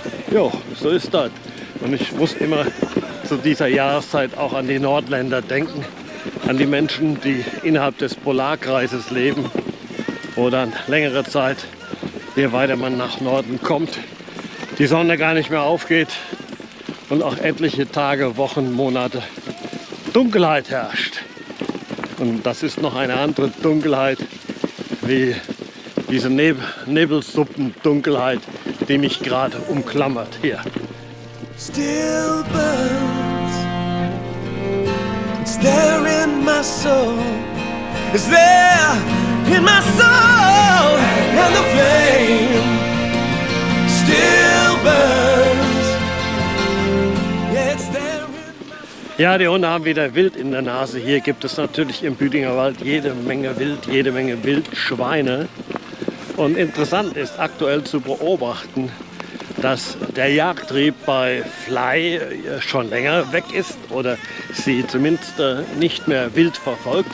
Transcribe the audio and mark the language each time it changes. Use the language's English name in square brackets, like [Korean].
[German] Jo, so ist das. Und ich muss immer zu dieser Jahreszeit auch an die Nordländer denken, an die Menschen, die innerhalb des Polarkreises leben, wo dann längere Zeit, je weiter man nach Norden kommt, die Sonne gar nicht mehr aufgeht und auch etliche Tage, Wochen, Monate Dunkelheit herrscht. Und das ist noch eine andere Dunkelheit wie diese Nebelsuppendunkelheit, die mich gerade umklammert hier. [English] Still burns, it's there in my soul, it's there in my soul. And the flame still burns, yeah, it's there in my soul. [German] Ja, die Hunde haben wieder Wild in der Nase. Hier gibt es natürlich im Büdinger Wald jede Menge Wild, jede Menge Wildschweine. Und interessant ist aktuell zu beobachten, dass der Jagdtrieb bei Fly schon länger weg ist oder sie zumindest nicht mehr wild verfolgt.